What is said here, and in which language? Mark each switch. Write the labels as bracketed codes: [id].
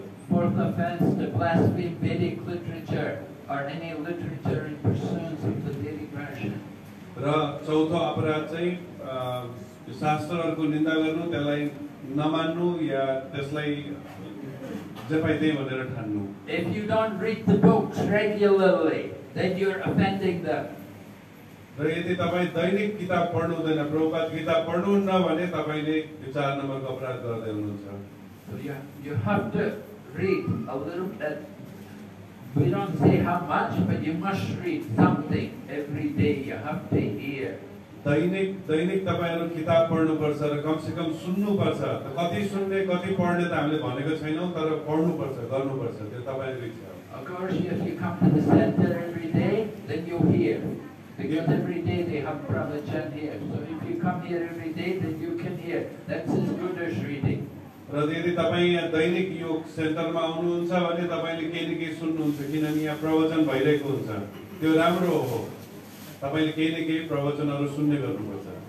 [en] Fourth offense, to blaspheme Vedic literature or any literature in pursuance of the Vedic Rashan. [ne] चौथो अपराध चाहिँ शास्त्रहरुको निन्दा गर्नु त्यसलाई नमान्नु या त्यसलाई जपाई दे भनेर ठान्नु. [en] If you don't read the books regularly, then you're offending them. [ne] र यदि तपाई दैनिक किताब पढ्नु हुँदैन, प्रभुपाद किताब पढ्नु हुन्न भने तपाईले चार नम्बरको अपराध गर्दै हुनुहुन्छ. [en] You have to read a little bit. We don't say how much, but you must read something every day. You have to hear. [ne] दैनिक तपाईहरु किताब पढ्नु पर्छ र कमसेकम सुन्नु पर्छ. कति सुन्ने कति पढ्ने त हामीले भनेको छैनौ, तर पढ्नु पर्छ, गर्नु पर्छ, त्यो तपाईहरु इच्छा. [en] Of course, if you come to the center every day, then you hear. Because every day they have pravachan here. So if you come here every day, then you can hear. That's as good as reading. [ne] र यदि तपाईँ यहाँ दैनिक यो सेन्टरमा आउनुहुन्छ भने तपाईँले केही न केही सुन्नुहुन्छ, किनभने यहाँ प्रवचन भइरहेको हुन्छ, त्यो राम्रो हो. तपाईँले केही न केही प्रवचनहरू सुन्ने गर्नुपर्छ.